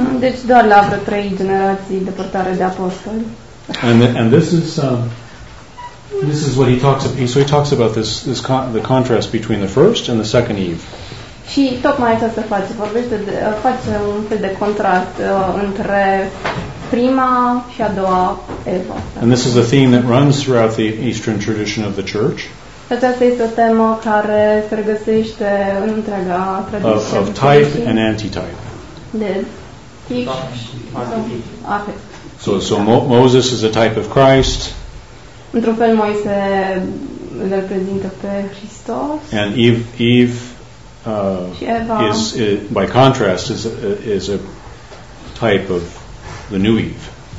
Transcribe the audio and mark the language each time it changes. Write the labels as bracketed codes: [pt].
[ro] Deci doar la vreo trei generații depărtare de apostoli. [en] And this is what he talks about. So he talks about the contrast between the first and the second Eve. [ro] Și tocmai asta se face, face un fel de contrast între prima și a doua Eva. [en] And this is a theme that runs throughout the Eastern tradition of the Church. [ro] Aceasta este o temă care se regăsește în întreaga tradiție. [en] Of type and anti-type. [ro] De tip și anti-tip. [en] So Moses is a type of Christ. [ro] Într-un fel Moise îl reprezintă pe Hristos. [en] And Eve is by contrast a type of the new Eve.